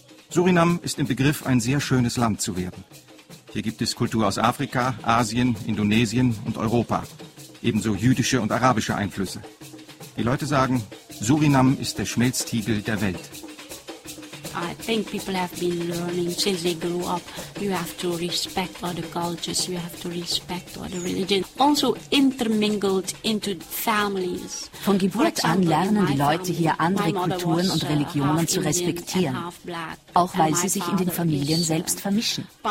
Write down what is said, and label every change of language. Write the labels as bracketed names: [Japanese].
[German] Suriname ist im Begriff, ein sehr schönes Land zu werden. Hier gibt es Kultur aus Afrika, Asien, Indonesien und Europa. Ebenso jüdische und arabische Einflüsse. Die Leute sagen, Suriname ist der Schmelztiegel der Welt. [English] I think people have been learning since they grew up. You have to respect other cultures, you have to respect other religions. Also intermingled into families. [German] Von Geburt an lernen die Leute hier andere Kulturen und Religionen zu respektieren, auch weil sie sich in den Familien selbst vermischen.